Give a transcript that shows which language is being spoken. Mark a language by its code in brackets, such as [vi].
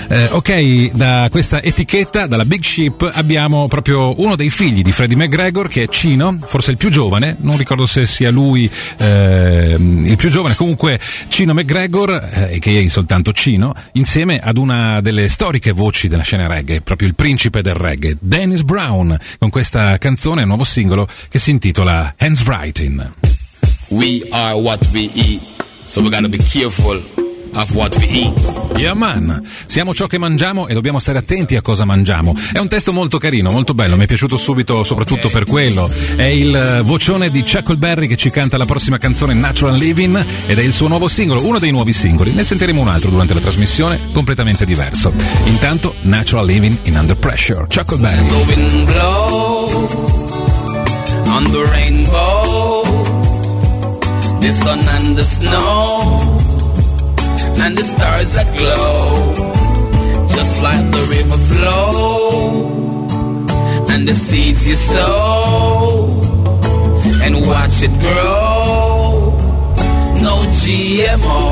[it] Ok, da questa etichetta, dalla Big Ship, abbiamo proprio uno dei figli di Freddie MacGregor, che è Chino, forse il più giovane, non ricordo se sia lui il più giovane, comunque. Comunque Chino MacGregor, che è soltanto Chino, insieme ad una delle storiche voci della scena reggae, proprio il principe del reggae, Dennis Brown, con questa canzone, nuovo singolo, che si intitola Hands Writing. [en] We are what we eat, so we gotta be careful of what we eat. Yeah man, [it] siamo ciò che mangiamo e dobbiamo stare attenti a cosa mangiamo. È un testo molto carino, molto bello, mi è piaciuto subito soprattutto per quello. È il vocione di Chuckleberry che ci canta la prossima canzone Natural Living ed è il suo nuovo singolo, uno dei nuovi singoli. Ne sentiremo un altro durante la trasmissione, completamente diverso. Intanto Natural Living in Under Pressure, Chuckleberry. [en] The wind blow on the rainbow, the sun and the snow, and the stars that glow, just like the river flow, and the seeds you sow, and watch it grow, no GMO.